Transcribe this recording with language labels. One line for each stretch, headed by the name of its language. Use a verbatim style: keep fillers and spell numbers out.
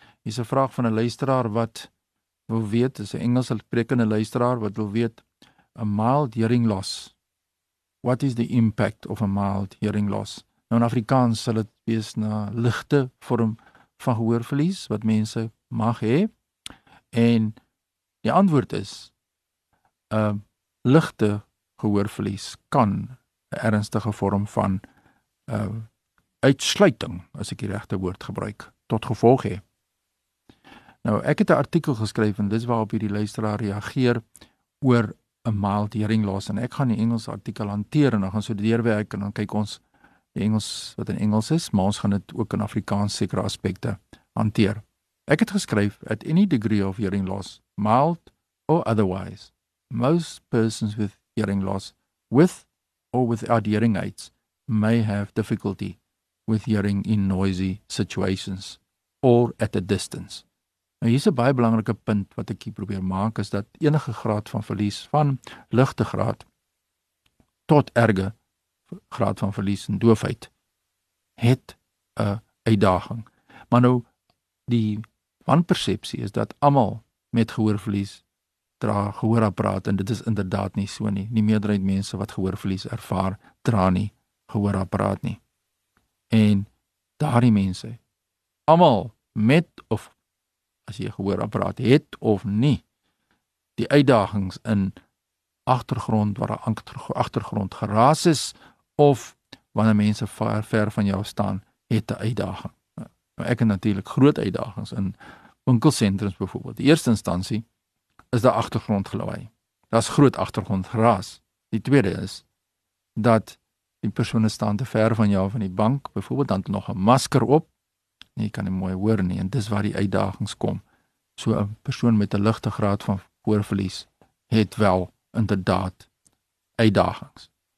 Afrikaans: Hier's 'n vraag van 'n luisteraar wat wil weet, is 'n Engels sprekende luisteraar wat wil weet, 'n
English: mild hearing loss. What is the impact of a mild hearing loss?
Afrikaans: Nou in Afrikaans sal dit wees na ligte vorm van gehoorverlies wat mense mag hê. En die antwoord is, 'n ligte gehoorverlies kan 'n ernstige vorm van uh, uitsluiting, as ek die regte woord gebruik, tot gevolg hê. Nou ek het 'n artikel geskryf en dis waarop hierdie luisteraar reageer oor 'n
English: mild hearing loss,
Afrikaans: en ek gaan die Engelse artikel hanteer en dan gaan so deurwerk en dan kyk ons die Engels wat in Engels is, maar ons gaan dit ook in Afrikaans sekere aspekte hanteer. Ek het geskryf,
English: at any degree of hearing loss, mild or otherwise, most persons with hearing loss, with or without hearing aids, may have difficulty with hearing in noisy situations or at a distance.
Afrikaans: Nou hier is 'n baie belangrike punt wat ek hier probeer maak, is dat enige graad van verlies, van ligte graad tot erge graad van verlies en doofheid, het 'n uitdaging. Maar nou, die wanpersepsie is dat almal met gehoorverlies dra gehoorapparaat, en dit is inderdaad nie so nie. Die meerderheid mense wat gehoorverlies ervaar, dra nie gehoorapparaat nie. En daardie mense, almal met of as jy gehoorapparaat het of nie, die uitdagings in agtergrond, waar 'n agtergrond geraas is, of wanneer mense ver, ver van jou staan, het 'n uitdaging. Nou, ek het natuurlik groot uitdagings in winkelsentrums byvoorbeeld. Die eerste instansie is die agtergrondgelui. Dat is groot agtergrondgeraas. Die tweede is dat die persone staan te ver van jou van die bank, byvoorbeeld, dan nog 'n masker op, jy kan nie mooi hoor nie, en dis waar die uitdagings kom. So 'n persoon met 'n ligte graad van gehoorverlies het wel inderdaad uitdagings.